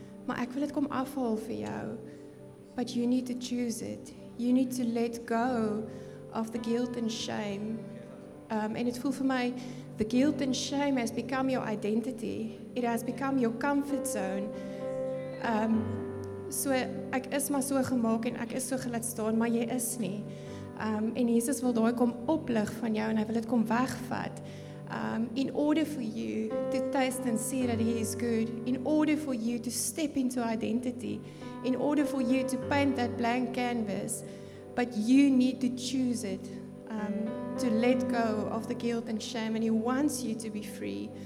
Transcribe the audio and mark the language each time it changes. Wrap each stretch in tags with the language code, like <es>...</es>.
<af>maar ek wil dit kom afhaal vir jou.</af> <en>But you need to choose it. You need to let go of the guilt and shame. And it feels for me, the guilt and shame has become your identity. It has become your comfort zone.</en> <af>So ek is maar so gemaak en ek is so gelat staan, maar jy is nie. En Jesus wil daai kom oplig van jou en hy wil dit kom wegvat.</af> <en>In order for you to taste and see that he is good, in order for you to step into identity, in order for you to paint that blank canvas, but you need to choose it, to let go of the guilt and shame, and he wants you to be free.</en>